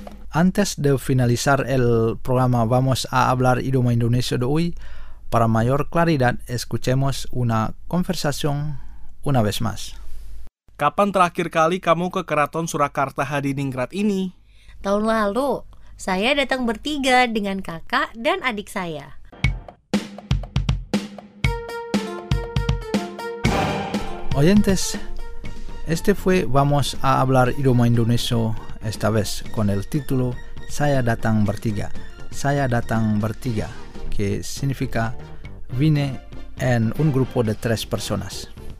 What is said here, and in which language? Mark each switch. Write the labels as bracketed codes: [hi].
[es] Antes de finalizar el programa, vamos a hablar idioma indonesio de hoy. Para mayor claridad, escuchemos una conversación una vez más. [id] Kapan terakhir kali kamu ke Keraton Surakarta Hadiningrat ini? Tahun lalu, saya datang bertiga dengan kakak dan adik saya. [es] Oyentes, este fue Vamos a hablar idioma indonesio esta vez con el título [id] Saya datang bertiga. Saya datang bertiga, [es] que significa vine en un grupo de 3 personas.